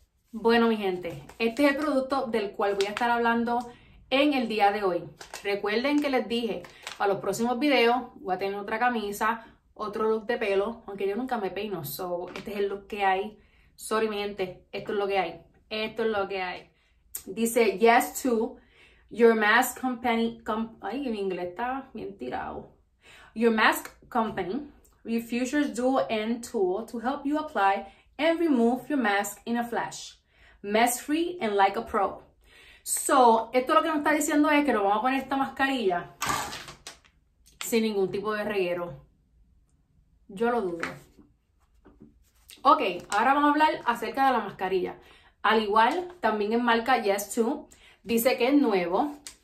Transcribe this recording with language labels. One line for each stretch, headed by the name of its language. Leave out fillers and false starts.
Spanish: Bueno, mi gente, este es el producto del cual voy a estar hablando en el día de hoy. Recuerden que les dije, para los próximos videos voy a tener otra camisa, otro look de pelo, aunque yo nunca me peino. So, este es el look que hay. Sorry, mi gente, esto es lo que hay. Esto es lo que hay.
English: Dice, yes to your mask company. Ay, en inglés está bien tirado. Your mask company. Refuser's dual-end tool to help you apply and remove your mask in a flash. Mess-free and like a pro.
Spanish: So, esto lo que nos está diciendo es que nos vamos a poner esta mascarilla sin ningún tipo de reguero. Yo lo dudo. Ok, ahora vamos a hablar acerca de la mascarilla. Al igual, también en marca Yes To, dice que es nuevo.